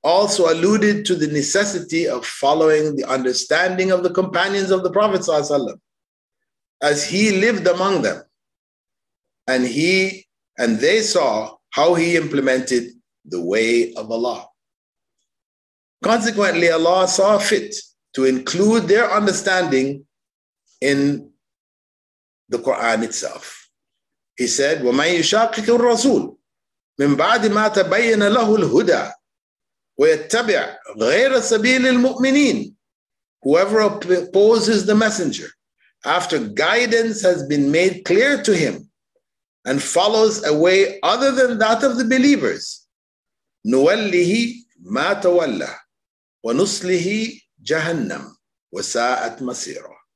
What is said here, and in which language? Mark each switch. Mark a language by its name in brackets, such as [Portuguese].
[English] also alluded to the necessity of following the understanding of the companions of the Prophet ﷺ, as he lived among them, and he and they saw how he implemented the way of Allah. Consequently, Allah saw fit to include their understanding in the Quran itself. He said, [Arabic] وَمَنْ يُشَاقِقِ الرَّسُولِ مِنْ بَعْدِ مَا تَبَيَّنَ لَهُ الْهُدَى وَيَتَّبِعْ غَيْرَ سَبِيلِ الْمُؤْمِنِينَ. [English] Whoever opposes the messenger after guidance has been made clear to him and follows a way other than that of the believers, [Arabic] نُوَلِّهِ مَا تَوَلَّى وَنُصْلِهِ جَهَنَّمْ وَسَاءَتْ مَصِيرًا.